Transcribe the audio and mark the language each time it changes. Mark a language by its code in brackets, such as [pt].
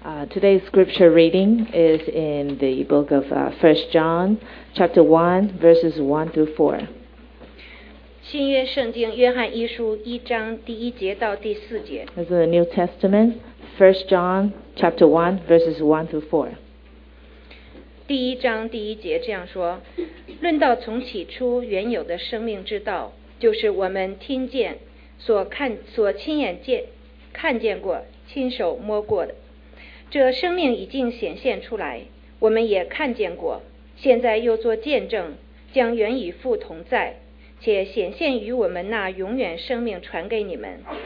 [en] Today's scripture reading is in the book of 1 John, chapter 1, verses 1 through 4. [zh] 新约圣经约翰一书一章第一节到第四节。 [en] This is the New Testament, 1 John, chapter 1, verses 1 through 4. [zh] 第一章第一节这样说，论到从起初原有的生命之道，就是我们听见所亲眼见看见过亲手摸过的，这生命已经显现出来，我们也看见过，现在又做见证，将原与父同在，且显现于我们那永远生命传给你们。